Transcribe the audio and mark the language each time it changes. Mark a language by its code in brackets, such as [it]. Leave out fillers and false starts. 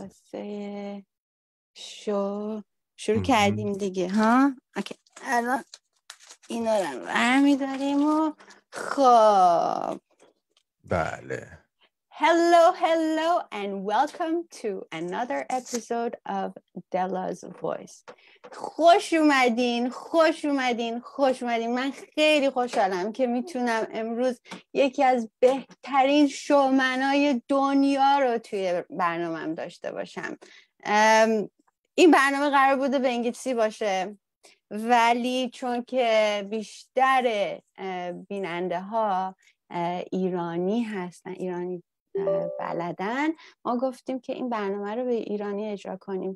[fa] واسه شو شروع کردیم دیگه ها؟ اوکی الان اینا رو برمیداریم و خب بله. [en] Hello, hello, and welcome to another episode of Dela's Voice. [fa] خوش اومدین. من خیلی خوشحالم که میتونم امروز یکی از بهترین شومنای دنیا رو توی برنامه‌ام داشته باشم. این برنامه قرار بوده به انگلیسی باشه. ولی چون که بیشتر بیننده ها ایرانی هستن، ایرانی بلدن، ما گفتیم که این برنامه رو به ایرانی اجرا کنیم.